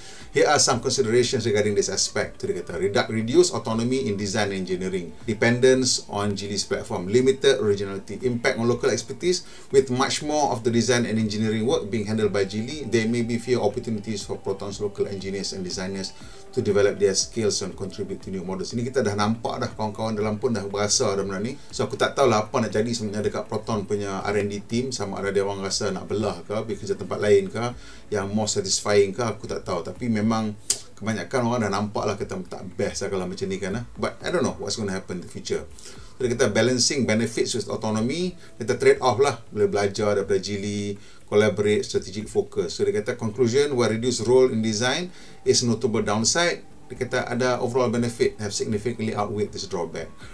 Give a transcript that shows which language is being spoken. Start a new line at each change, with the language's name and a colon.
English: Here are some considerations regarding this aspect.
Malay: Dia kata,
English: reduce autonomy in design engineering, dependence on Geely's platform, limited originality, impact on local expertise, with much more of the design and engineering work being handled by Geely, there may be fewer opportunities for Proton's local engineers and designers to develop their skills and contribute to new models.
Malay: Ini kita dah nampak dah, kawan-kawan dalam pun dah berasa dah benda ni. So aku tak tahulah apa nak jadi sebenarnya dekat Proton punya R&D team, sama ada dia orang rasa nak belah ke pergi kerja tempat lain ke yang
English: more satisfying
Malay: ke, aku tak tahu. Tapi memang kebanyakan orang dah nampak lah kata tak best lah kalau macam ni kan.
English: But I don't know what's going to happen in the future. So kita balancing benefits with autonomy, kita trade off lah,
Malay: boleh belajar daripada Geely,
English: collaborate, strategic focus. So dia kata conclusion, where reduced role in design is notable downside,
Malay: dia kata ada
English: overall benefit have significantly outweighed this drawback.